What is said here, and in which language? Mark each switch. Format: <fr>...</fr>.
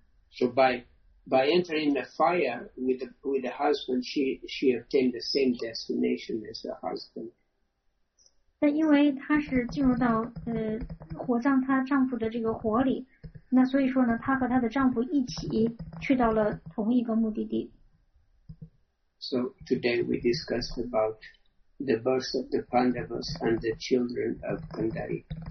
<en>So by entering the fire with the husband, she obtained the same destination as her husband.</en> <zh>但因为她是进入到火葬她丈夫的这个火里，那所以说呢，她和她的丈夫一起去到了同一个目的地。</zh> <en>So today we discuss about the birth of the Pandavas and the children of Gandhari.</en>